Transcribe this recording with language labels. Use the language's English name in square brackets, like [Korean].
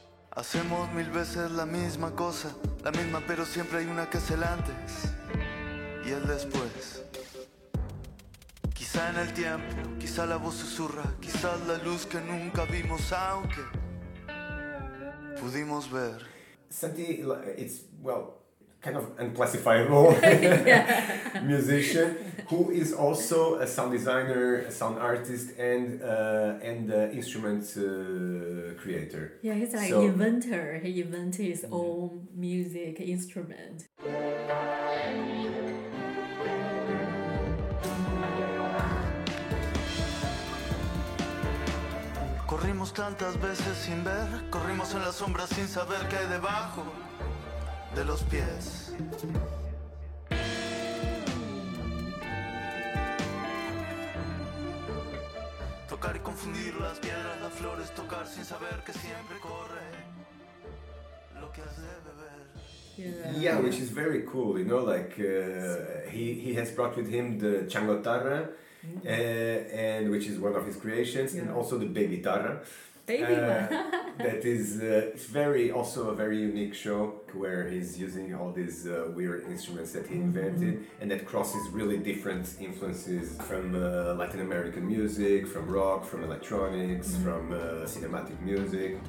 [Spanish] Hacemos mil veces la misma cosa, la misma, pero siempre hay una que es el antes y el después. Quizá en el tiempo, quizá la voz susurra, quizá la luz que nunca vimos, aunque pudimos ver. [English] Santi, it's, well, kind of unclassifiable musician, who is also a sound designer, a sound artist, and instrument creator. Yeah, he's like an inventor. He invented his own music instrument. [Spanish] Corrimos tantas veces sin ver, corrimos en la sombra sin saber qué hay debajo de los pies. Tocar y confundir las piedras, las flores, tocar sin saber que siempre corre lo que has de beber. [English] Yeah, which is very cool, you know, like he has brought with him the changotarra, and which is one of his creations, and also the baby-tarra. that is it's very also a very unique show where he's using all these weird instruments that he invented, and that crosses really different influences from Latin American music, from rock, from electronics, from cinematic music.